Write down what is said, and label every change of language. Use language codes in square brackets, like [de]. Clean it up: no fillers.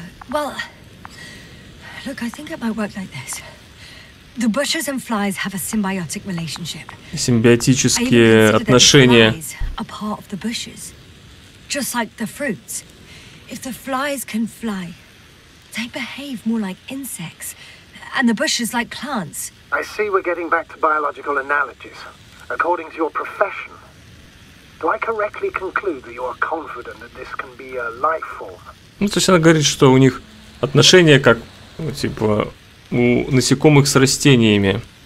[en] Well, look, I think it might work like this. The bushes and flies have a symbiotic relationship. [ru] Симбиотические отношения. [en] A part of the bushes, just like the fruits. If the flies can fly, they behave more like insects, and the bushes like plants. I see we're getting back to biological analogies. According to your profession, do I correctly conclude that you are confident that this can be a life form? [ru] Ну, то есть она говорит, что у них отношения как, ну, типа, у насекомых с растениями.